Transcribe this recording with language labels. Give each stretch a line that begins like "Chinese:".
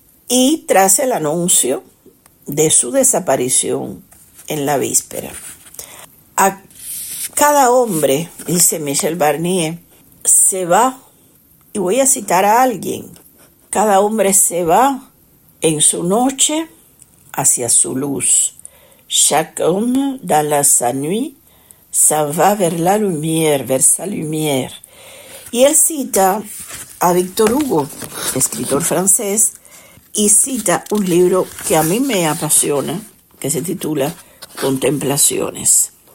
Spanish: Y tras el anuncio de su desaparición en la víspera. A cada hombre, dice Michel Barnier, se va, y voy a citar a alguien, cada hombre se va en su noche hacia su luz.
French: Chaque homme dans la sa nuit s'en va vers sa lumière.
Spanish: Y él cita a Victor Hugo, escritor francés, y cita un libro que a mí me apasiona, que se titula Contemplaciones.